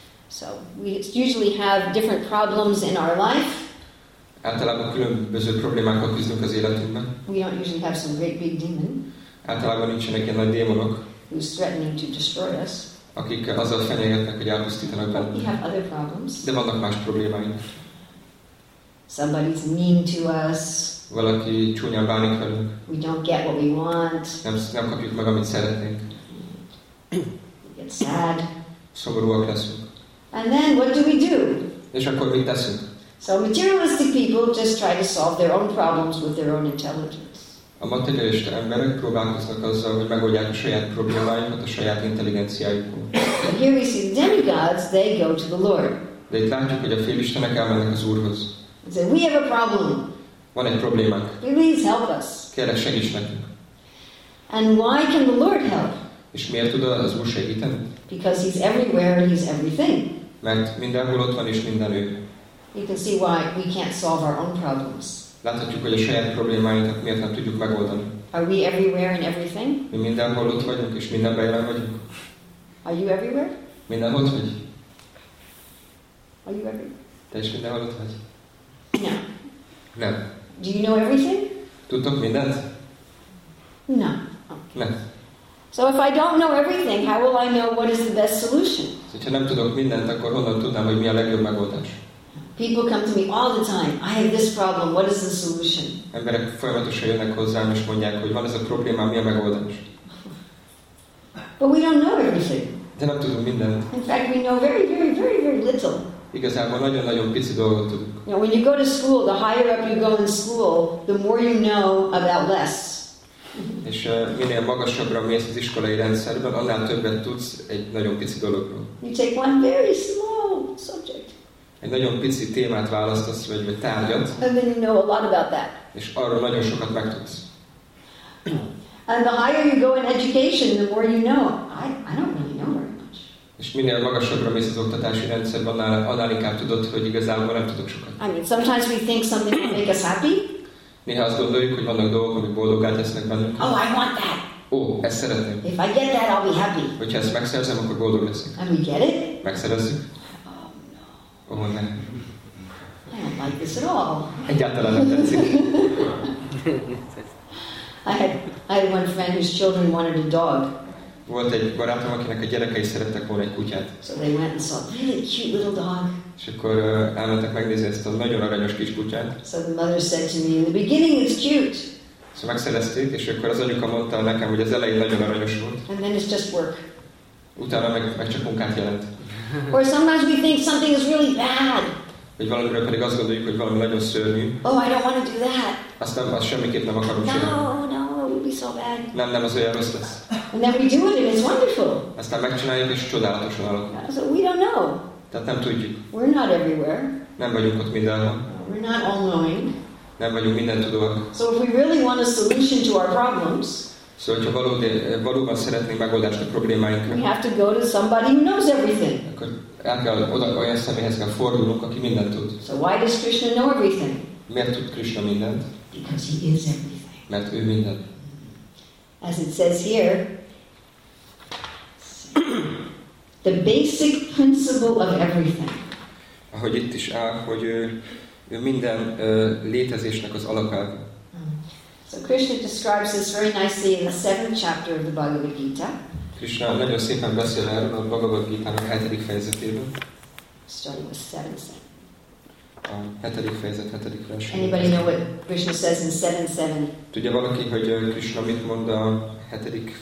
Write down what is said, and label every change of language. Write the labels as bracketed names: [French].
[English] So we usually have different problems in our life. [Hungarian] Általában különböző problémákat küzdünk az életünkben. [English] We don't usually have some great big demon. [Hungarian] Általában nincsenek ilyen nagy démonok. [English] Who's threatening to destroy us? [Hungarian] Akik azzal fenyegetnek, hogy elpusztítanak bennünket. [English] We have other problems. [Hungarian] De vannak más problémáink. [English] Somebody's mean to us. [Hungarian] Valaki csúnyán bánik velünk. [English] We don't get what we want. [Hungarian] Nem kapjuk meg, amit szeretnénk. [English] Sad. [Hungarian] Szomorúak leszünk. [English] And then what do we do? [Hungarian] És akkor mit teszünk? [English] So materialistic people just try to solve their own problems with their own intelligence. [Hungarian] A materialista emberek próbálkoznak azzal, hogy megoldják a saját problémáikat a saját intelligenciájukon. [English] Here we see demigods, they go to the Lord. [Hungarian] De itt látjuk, hogy a félistenek elmennek az Úrhoz. [English] So we have a problem. [Hungarian] Van egy problémánk. [English] Please help us. [Hungarian] Kérlek, segíts nekünk. [English] And why can the Lord help? [Hungarian] És miért tud az Úr segíteni? [English] Because he's everywhere and he's everything. [Hungarian] Mert mindenhol ott van és mindenő. [English] You can see why we can't solve our own problems. [Hungarian] Láthatjuk, hogy a saját problémáinkat miért nem tudjuk megoldani. [English] Are we everywhere and everything? [Hungarian] Mi mindenhol ott vagyunk és mindenben jelen vagyunk. [English] Are you everywhere? [Hungarian] Minden ott vagy. [English] Are you everywhere? [Hungarian] Te is mindenhol ott vagy. [English] No. [Hungarian] Nem. [English] Do you know everything? [Hungarian] Tudtok mindent? [English] No. [Hungarian] Okay. Nem. [English] So if I don't know everything, how will I know what is the best solution? [Hungarian] Hogyha nem tudok mindent, akkor honnan tudnám, hogy mi a legjobb megoldás? [English] People come to me all the time. I have this problem. What is the solution? [Hungarian] Emberek folyamatosan jönnek hozzám és mondják, hogy van ez a probléma, mi a megoldás? [English] But we don't know everything. [Hungarian] De nem tudunk mindent. [English] In fact, we know very, very, very, very little. [Hungarian] Igazából nagyon-nagyon pici dolgot tudunk. [English] You know, when you go to school, the higher up you go in school, the more you know about less. [Hungarian] És minél magasabbra mész az iskolai rendszerben, annál többet tudsz egy nagyon pici dologról. [English] You take one very small subject. [Hungarian] Egy nagyon pici témát választasz, vagy tárgyat. [English] And then you know a lot about that. [Hungarian] És arról nagyon sokat megtudsz. [English] And the higher you go in education, the more you know. I don't really know very much. [Hungarian] És minél magasabbra mész az oktatási rendszerben, annál inkább tudod, hogy igazából nem tudok sokat. [English] I mean, sometimes we think something will make us happy. [Hungarian] Néha azt gondoljuk, hogy vannak dolgok, amik boldoggá tesznek bennünk. [English] Oh, I want that. [Hungarian] Oh, ezt szeretném. [English] If I get that, I'll be happy. [Hungarian] Hogyha ezt megszerzem, akkor boldog leszek. [English] And we get it. [Hungarian] Megszerezzük. [English] Oh, no. [Hungarian] Oh, ne. [English] I don't like this at all. [Hungarian] Egyáltalán nem tetszik. [English] I had one friend whose children wanted a dog. [Hungarian] Volt egy barátom, akinek a gyerekei szerettek volna egy kutyát. [English] So they went and saw a really cute little dog. [Hungarian] És akkor elmentek megnézni ezt a nagyon aranyos kis kutyát. [English] So the mother said to me, in the beginning it's cute. [Hungarian] Szóval megszerezték, és akkor az anyuka mondta nekem, hogy az elején nagyon aranyos volt. [English] And then it's just work. [Hungarian] Utána meg csak munkát jelent. [English] Or sometimes we think something is really bad. [Hungarian] Vagy valamire pedig azt gondoljuk, hogy valami nagyon szörnyű. [English] Oh, I don't want to do that. [Hungarian] Azt semmiképp nem akarom csinálni. [English] No, it'll be so bad. [Hungarian] Nem, az olyan rossz lesz. [English] And then we do it and it's wonderful. [Hungarian] Aztán megcsináljuk és csodálatosan alakul. [English] So we don't know. [Hungarian] Tehát nem tudjuk. [English] We're not everywhere. [Hungarian] Nem vagyunk ott mindenhol. [English] We're not all-knowing. [Hungarian] Nem vagyunk mindentudóak. [English] So if we really want a solution to our problems, [Hungarian] szóval, hogyha valóban szeretnénk megoldást a problémáinkra, [English] we have to go to somebody who knows everything. [Hungarian] Akkor el kell oda olyan személyhez kell fordulnunk, aki mindent tud. [English] So why does Krishna know everything? [Hungarian] Miért tud Krishna mindent? [English] Because he is everything. [Hungarian] Mert ő minden. [English] As it says here, the basic principle of everything. [Hungarian] Ahogy itt is áll, hogy ő minden létezésnek az alapelve. [English] So Krishna describes this very nicely in the 7th chapter of the Bhagavad Gita. [Hungarian] Krishna nagyon szépen beszél erről a Bhagavad Gita-nak 7. fejezetében. [English] Starting with 7:7. [Hungarian] A 7. fejezet, 7. vers. [English] Anybody know what Krishna says in 7:7? [Hungarian] Tudja valaki, hogy Krishna mit mond a 7.